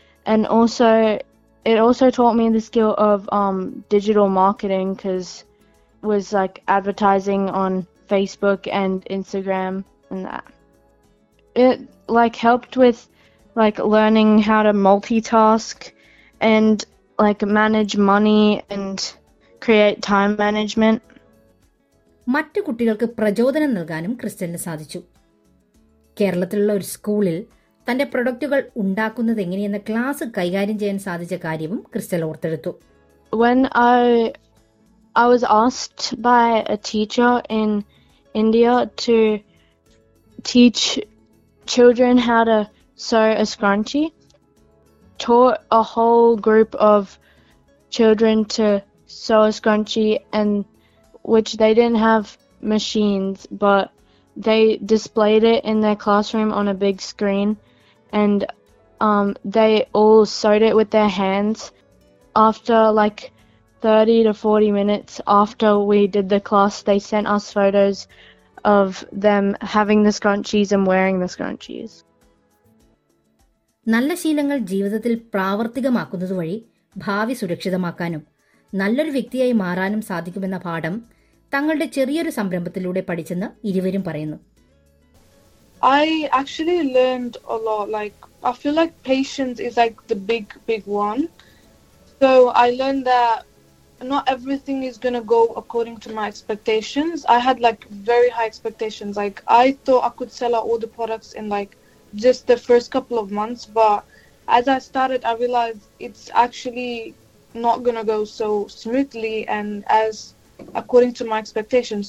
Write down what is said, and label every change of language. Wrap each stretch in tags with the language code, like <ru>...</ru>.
<en>And also, it also taught me the skill of digital marketing, because it was like advertising on Facebook and Instagram and that. It like helped with like learning how to multitask and like manage money and create time management.</en> <ml>മറ്റു കുട്ടികൾക്ക് പ്രചോദനം നൽകാനും ക്രിസ്റ്റലിന് സാധിച്ചു. കേരളത്തിലുള്ള ഒരു സ്കൂളിൽ തന്റെ പ്രൊഡക്റ്റുകൾ ഉണ്ടാക്കുന്നത് എങ്ങനെയെന്ന ക്ലാസ് കൈകാര്യം ചെയ്യാൻ സാധിച്ച കാര്യവും crystal ഓർത്തെടുത്തു.</ml> <en>When I was asked by a teacher in India to teach children how to so a scrunchie, taught a whole group of children to sew a scrunchie, and which they didn't have machines, but they displayed it in their classroom on a big screen, and they all sewed it with their hands after like 30 to 40 minutes after we did the class. They sent us photos of them having the scrunchies and wearing the scrunchies.</en> <ml>നല്ല ശീലങ്ങൾ ജീവിതത്തിൽ പ്രാവർത്തികമാക്കുന്നത് വഴി ഭാവി സുരക്ഷിതമാക്കാനും നല്ലൊരു വ്യക്തിയായി മാറാനും സാധിക്കുമെന്ന പാഠം തങ്ങളുടെ ചെറിയൊരു സംരംഭത്തിലൂടെ പഠിച്ചെന്ന് ഇരുവരും പറയുന്നു.</ml> <en>I actually learned a lot. Like, I feel like patience is like the big, big one. So I learned that not everything is going to go according to my expectations. I had like very high expectations. Like, I thought I could sell out all the products in like just the first couple of months, but as I started, I realized it's actually not gonna go so smoothly and as according to my expectations.</en>